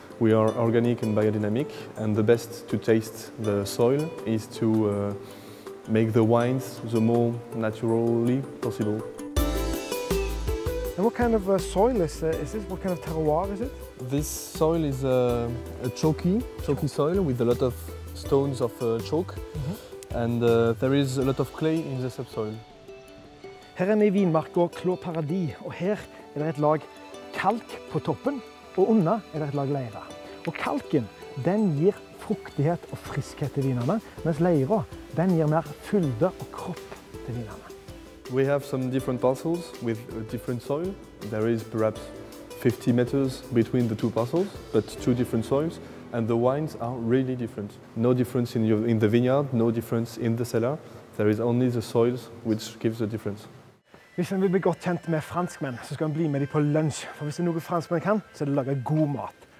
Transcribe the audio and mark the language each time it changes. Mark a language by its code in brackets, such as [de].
[en] We are organic and biodynamic, and the best to taste the soil is to make the wines the more naturally possible. And what kind of soil is this? What kind of terroir is it? This soil is a chalky soil with a lot of stones of chalk, mm-hmm. and there is a lot of clay in the subsoil. [no] Her I vinmark og klåparadis, og her et lag kalk på toppen, og under et lag leire. Og kalken, den gir fruktighet og friskhet til vinene, mens leire, den gir mer fylde og kropp til vinene. [en] We have some different parcels with different soil. There is perhaps 50 meters between the two parcels, but two different soils, and the wines are really different. No difference in the vineyard, no difference in the cellar. There is only the soils which gives a difference. [no] Hvis en vil bli godt kjent med franskmenn, så skal en bli med dem på lunsj. For hvis det noe franskmenn kan, så det lager god mat.